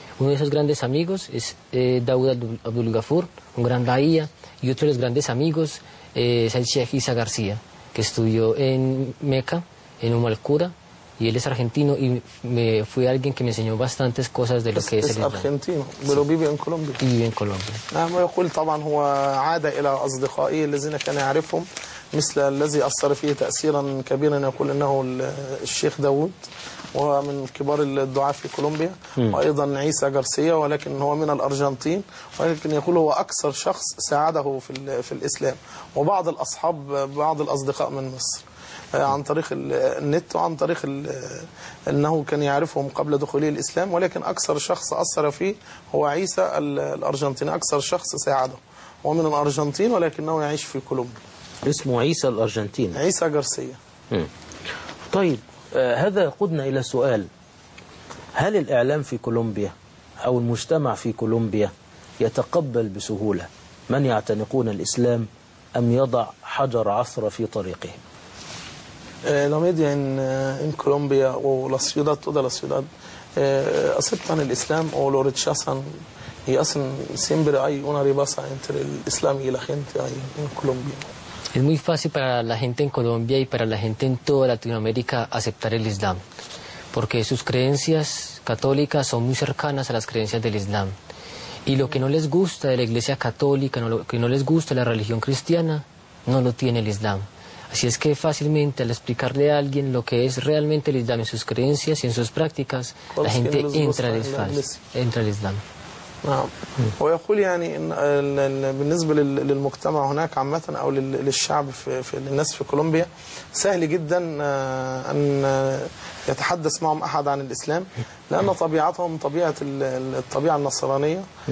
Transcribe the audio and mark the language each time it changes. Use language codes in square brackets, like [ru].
[es] Uno de esos grandes amigos es Daud Abdul Ghafur, un gran daía, y otro de los grandes amigos es el Sheikh Isa García, que estudió en Meca, en Umm al-Qura. Y él es argentino y me fui alguien que me enseñó bastantes cosas de lo que es el Islam. Argentino, pero vive en Colombia. Y vive en Colombia. [ar] نعم يقول طبعا هو عاد إلى أصدقائه الذين كان يعرفهم مثل الذي أثر فيه تأثيرا كبيرا يقول إنه الشيخ داود وهو من كبار الدعاة في كولومبيا وأيضا عيسى غارسيا ولكن هو من الأرجنتين ولكن يقول هو أكثر شخص ساعده في الإسلام وبعض الأصحاب بعض الأصدقاء من مصر. عن طريق النت وعن طريق أنه كان يعرفهم قبل دخوله الإسلام ولكن أكثر شخص أثر فيه هو عيسى الأرجنتيني أكثر شخص ساعده هو من الأرجنتين ولكنه يعيش في كولومبيا اسمه عيسى الأرجنتيني عيسى غارسيا طيب هذا يقودنا إلى سؤال هل الإعلام في كولومبيا أو المجتمع في كولومبيا يتقبل بسهولة من يعتنقون الإسلام أم يضع حجر عثرة في طريقه؟ [es] La media in Colombia o la ciudad, toda la ciudad, aceptan el Islam o lo rechazan y hacen siempre hay una rivalidad entre el Islam y la gente ahí en Colombia. Es muy fácil para la gente en Colombia y para la gente en toda Latinoamérica aceptar el Islam, porque sus creencias católicas son muy cercanas a las creencias del Islam. Y lo que no les gusta de la iglesia católica, lo que no les gusta de la religión cristiana, no lo tiene el Islam. Así es que fácilmente al explicarle a alguien lo que es realmente el Islam en sus creencias y en sus prácticas, la gente entra entra al Islam. [ar] ويقول يعني بالنسبة للمجتمع هناك عامة أو للشعب في الناس في كولومبيا سهل جدا أن يتحدث معهم أحد عن الإسلام لأن طبيعتهم طبيعة الطبيعة النصرانية